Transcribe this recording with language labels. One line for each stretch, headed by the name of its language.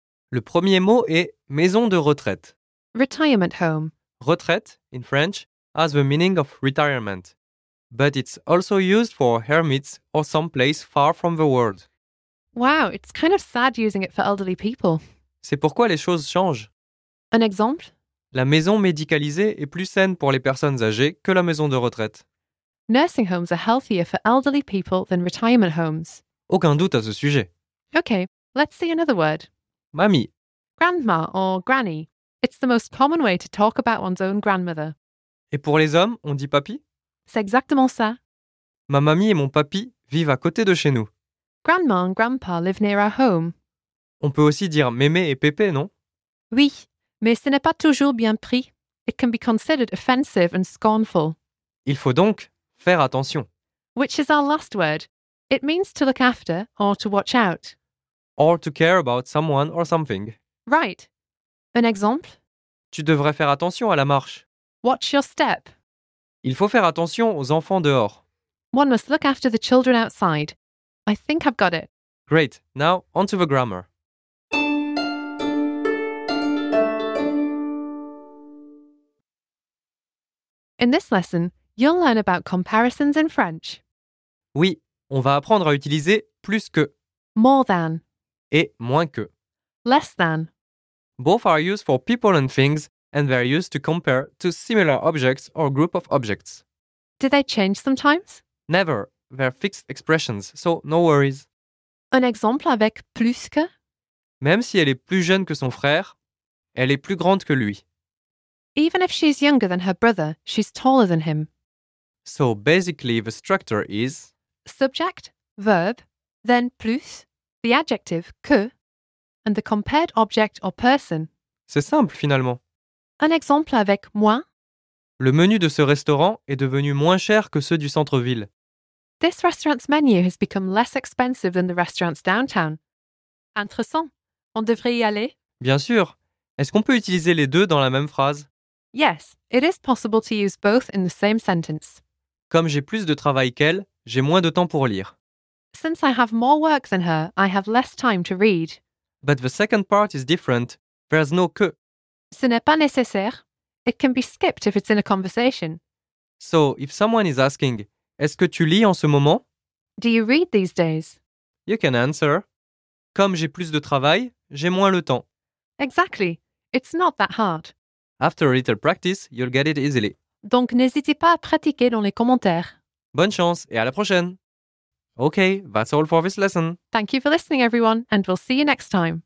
French: Le premier mot est maison de retraite.
English: Retirement home. Retraite, in French, has the meaning of retirement. But it's also used for hermits or some place far from the world. Wow, it's kind of sad using it for elderly people.
French: C'est pourquoi les choses changent. Un exemple? La maison médicalisée est plus saine pour les personnes âgées que la maison de retraite.
English: Nursing homes are healthier for elderly people than retirement homes.
French: Aucun doute à ce sujet.
English: Okay, let's see another word.
French: Mamie.
English: Grandma or granny. It's the most common way to talk about one's own grandmother.
French: Et pour les hommes, on dit papy? C'est exactement ça. Ma mamie et mon papy vivent à côté de chez nous.
English: Grandma and grandpa live near our home.
French: On peut aussi dire mémé et pépé, non? Oui, mais ce n'est pas toujours bien pris.
English: It can be considered offensive and scornful.
French: Il faut donc faire attention.
English: Which is our last word. It means to look after or to watch out. Or to care about someone or something.
French: Right. Un exemple? Tu devrais faire attention à la marche.
English: Watch your step.
French: Il faut faire attention aux enfants dehors.
English: One must look after the children outside. I think I've got it. Great. Now, on to the grammar. In this lesson, you'll learn about comparisons in French.
French: Oui, on va apprendre à utiliser plus que.
English: More than.
French: Et moins que.
English: Less than. Both are used for people and things, and they're used to compare to similar objects or group of objects. Do they change sometimes? Never. They're fixed expressions, so no worries.
French: Un exemple avec plus que? Même si elle est plus jeune que son frère, elle est plus grande que lui.
English: Even if she's younger than her brother, she's taller than him. So basically the structure is... Subject, verb, then plus, the adjective que, and the compared object or person.
French: C'est simple finalement. Un exemple avec moins. Le menu de ce restaurant est devenu moins cher que ceux du centre-ville.
English: This restaurant's menu has become less expensive than the restaurants downtown.
French: Intéressant. On devrait y aller. Bien sûr. Est-ce qu'on peut utiliser les deux dans la même phrase?
English: Yes, it is possible to use both in the same sentence.
French: Comme j'ai plus de travail qu'elle, j'ai moins de temps pour lire.
English: Since I have more work than her, I have less time to read. But the second part is different. There's no que.
French: Ce n'est pas nécessaire.
English: It can be skipped if it's in a conversation. So, if someone is asking,
French: est-ce que tu lis en ce moment?
English: Do you read these days? You can answer.
French: Comme j'ai plus de travail, j'ai moins le temps.
English: Exactly. It's not that hard. After a little practice, you'll get it easily.
French: Donc, n'hésitez pas à pratiquer dans les commentaires. Bonne chance et à la prochaine.
English: Okay, that's all for this lesson. Thank you for listening, everyone, and we'll see you next time.